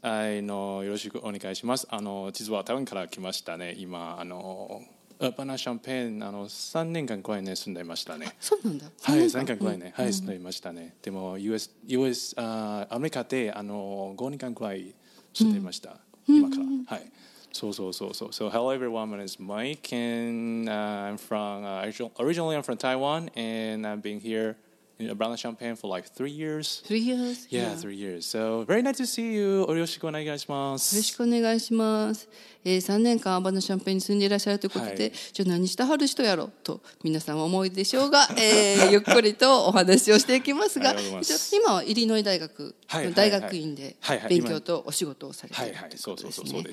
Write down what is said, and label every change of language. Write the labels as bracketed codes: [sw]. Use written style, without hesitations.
[ja] よろしくお願いします。実は台湾から来ましたね。今アーバナシャンペーン、3年間くらい、ね、住んでいましたね。そうなんだ。はい、3年間くらい、ね、はい、住んでいましたね。でも US アメリカで5年間くらい住んでいました、今から、はい、そう。 [en] So hello everyone, my name is Mike and I'm from originally I'm from Taiwan and I've been hereIn Abrana Champagne for like 3 years. 3 years? Yeah, yeah, 3 years. So, very nice to see you. [ja] よろしくお願いします。よろしくお願いします。3年間アバナシャンペーンに住んでいらっしゃるということで、はい、じゃあ何したはる人やろと皆さんは思いでしょうが、ゆっくりとお話をしていきますが、今はイリノイ大学の大学院で勉強とお仕事をされているということですね。